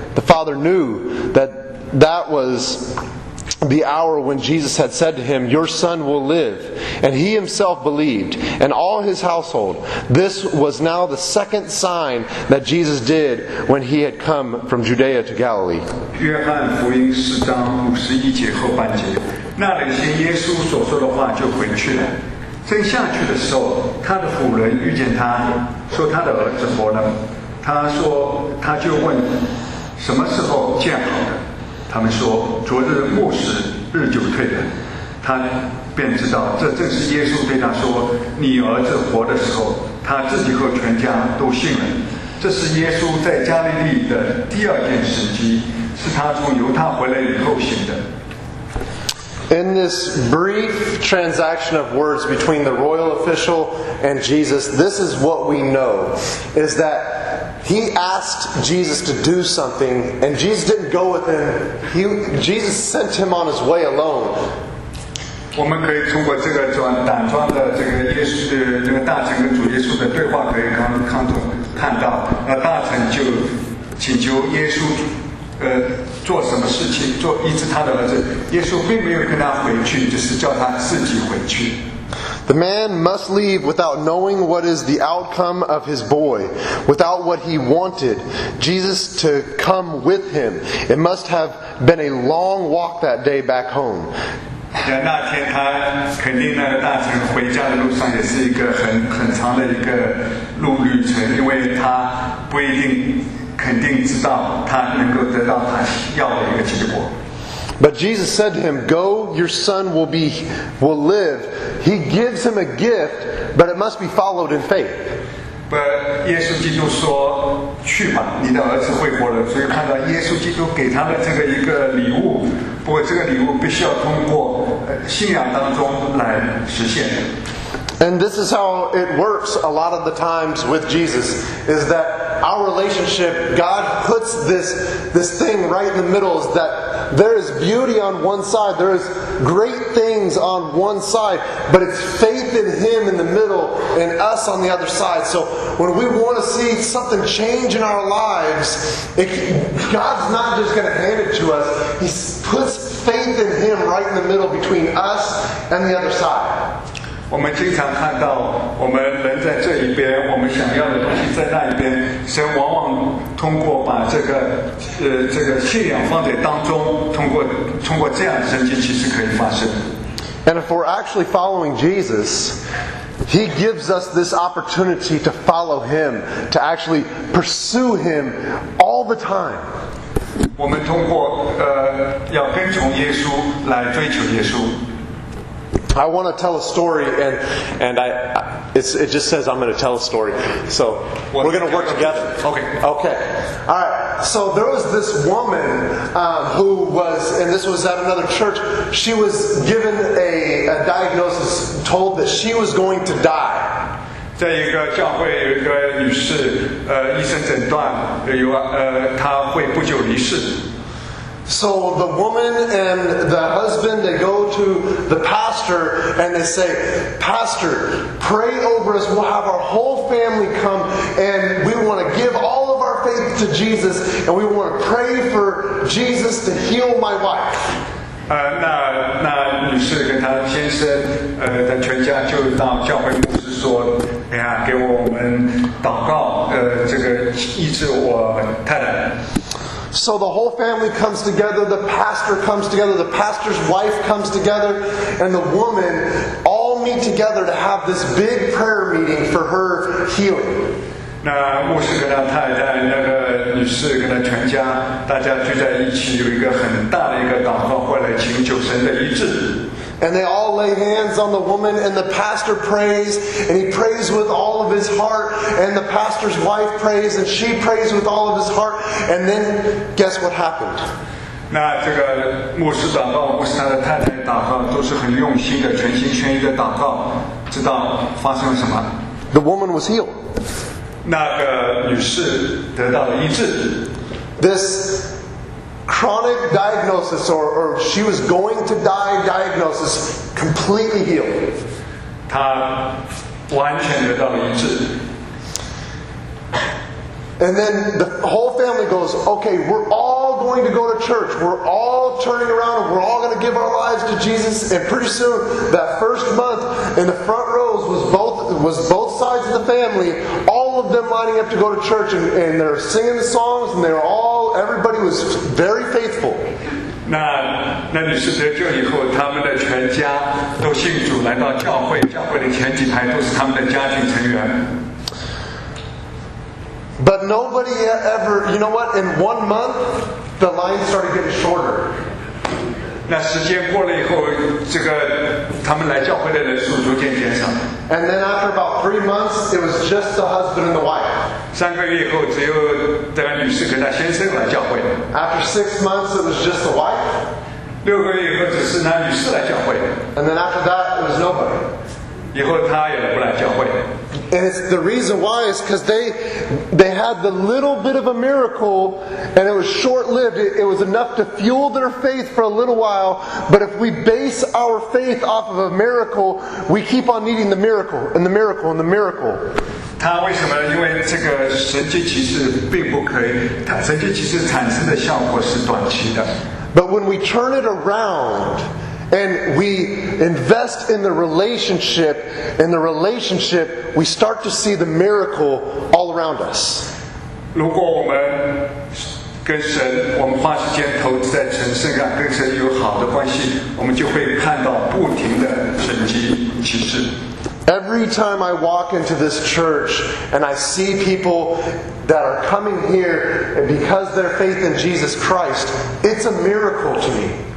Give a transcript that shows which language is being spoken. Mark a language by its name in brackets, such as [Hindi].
[English] The father knew that that was the hour when Jesus had said to him, "Your son will live." And he himself believed, and all his household. This was now the second sign that Jesus did when he had come from Judea to Galilee. [Chinese] 约翰福音4章51节后半节，那里听耶稣所说的话就回去了。正下去的时候，他的妇人遇见他，说他的儿子活了。他说，他就问，什么时候见好的？他们说，昨日末时，日久退了。他便知道，这正是耶稣对他说，你儿子活的时候，他自己和全家都信了。这是耶稣在加利利的第二件神迹，是他从犹太回来以后行的。 [English] In this brief transaction of words between the royal official and Jesus, this is what we know, is that he asked Jesus to do something, and Jesus didn't go with him. Jesus sent him on his way alone. [Chinese] 我们可以通过这个短暂的这个耶稣的这个大臣跟主耶稣的对话，可以看到，那大臣就请求耶稣做什么事情，做医治他的儿子。耶稣并没有跟他回去，就是叫他自己回去。 [English] The man must leave without knowing what is the outcome of his boy, without what he wanted, Jesus to come with him. It must have been a long walk that day back home. [Chinese] 那天他肯定那个大臣回家的路上也是一个很长的一个路旅程，因为他不一定肯定知道他能够得到他要的一个结果。 [English] But Jesus said to him, "Go, your son will live." He gives him a gift, but it must be followed in faith. But [Chinese] 耶稣基督说，去吧，你的儿子会活了。所以看到耶稣基督给他的这个一个礼物，不过这个礼物必须要通过信仰当中来实现。 [English] And this is how it works a lot of the times with Jesus, is that our relationship, God puts this thing right in the middle, is that there is beauty on one side, there is great things on one side, but it's faith in Him in the middle and us on the other side. So when we want to see something change in our lives, God's not just going to hand it to us. He puts faith in Him right in the middle between us and the other side. [Chinese] 我们经常看到我们人在这一边，我们想要的东西在那一边，神往往通过把这个信仰放在当中，通过这样的神迹其实可以发生。 [English] And if we're actually following Jesus, He gives us this opportunity to follow Him, to actually pursue Him all the time. [Chinese] 我们通过要跟从耶稣来追求耶稣。 [English] I want to tell a story, and it just says I'm going to tell a story. So we're going to work together. Okay. All right. So there was this woman who was, and this was at another church. She was given a diagnosis, told that she was going to die. [Chinese] 在一个教会有一个女士，医生诊断有她会不久离世。 [English] So the woman and the husband, they go to the pastor and they say, "Pastor, pray over us. We'll have our whole family come and we want to give all of our faith to Jesus and we want to pray for Jesus to heal my wife." [Chinese] 那女士跟她先生的全家就到教会牧师说，哎呀，给我们祷告，这个医治我太太。 [English] So the whole family comes together, the pastor comes together, the pastor's wife comes together, and the woman all meet together to have this big prayer meeting for her healing. [Chinese] 那牧师跟他太太，那个女士跟他全家，大家聚在一起，有一个很大的一个祷告会来请求神的医治。 [English] And they all lay hands on the woman, and the pastor prays, and he prays with all of his heart, and the pastor's wife prays, and she prays with all of his heart, and then guess what happened? [Chinese] 那这个牧师祷告，牧师他的太太祷告，都是很用心的，全心全意的祷告，知道发生了什么？ [English] The woman was healed. [Chinese] 那个女士得到了医治。 [English] This chronic diagnosis, or she was going to die diagnosis, completely healed. [Chinese] 她完全得到了医治。 [English] And then the whole family goes, okay, we're all going to go to church. We're all turning around and we're all going to give our lives to Jesus. And pretty soon, that first month, in the front rows was both sides of the family, all of them lining up to go to church. And they're singing the songs and they're all, everybody was very faithful. [Chinese] 那女士得救以后，他们的全家都信主来到教会，教会的前几排都是他们的家庭成员。 [English] But nobody ever, you know what, in 1 month, the line started getting shorter. [Chinese] 那时间过了以后，这个他们来教会的人数逐渐减少。 [English] And then after about 3 months, it was just the husband and the wife. [Chinese] 三个月以后，只有这个女士跟她先生来教会。 [English] After 6 months, it was just the wife. [Chinese] 六个月以后，只是那女士来教会。 [English] And then after that, it was nobody. [Chinese] 以后他也不来教会。 [English] And it's the reason why is because they had the little bit of a miracle, and it was short-lived. It was enough to fuel their faith for a little while. But if we base our faith off of a miracle, we keep on needing the miracle and the miracle and the miracle. [Chinese] 他为什么？因为这个神迹其实并不可以，神迹其实产生的效果是短期的。 [English] But when we turn it around. And we invest in the relationship, in the relationship, we start to see the miracle all around us. [Chinese] 如果我们跟神，我们花时间投资在神身上，跟神有好的关系，我们就会看到不停的神迹奇事。 [English] Every time I walk into this church and I see people that are coming here because of their faith in Jesus Christ, it's a miracle to me.